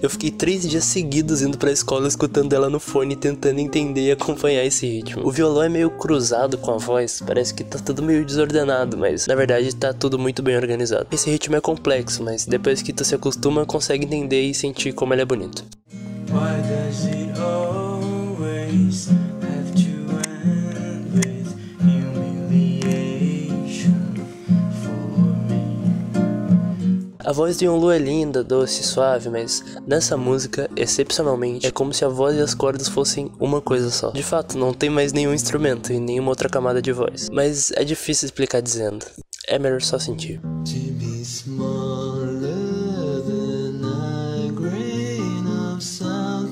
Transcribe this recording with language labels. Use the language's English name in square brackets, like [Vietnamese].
[Portuguese] Eu fiquei 3 dias seguidos indo pra escola escutando ela no fone, tentando entender e acompanhar esse ritmo. O violão é meio cruzado com a voz, parece que tá tudo meio desordenado, mas na verdade tá tudo muito bem organizado. Esse ritmo é complexo, mas depois que tu se acostuma, consegue entender e sentir como ele é bonito. [English] Why does it always have to end with humiliation for me? [Portuguese] A voz de Ion Lu é linda, doce e suave, mas nessa música, excepcionalmente, é como se a voz e as cordas fossem uma coisa só. De fato, não tem mais nenhum instrumento e nenhuma outra camada de voz. Mas é difícil explicar dizendo. É melhor só sentir. [English] To be smaller than a grain of sand.